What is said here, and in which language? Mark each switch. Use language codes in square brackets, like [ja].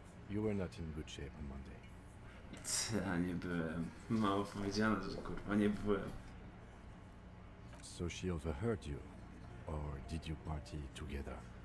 [en] You were not in good shape on Monday. [pl] Ja nie byłem. Mało powiedziane, że kurwa nie byłem. [en] So she overheard you, or did you party together?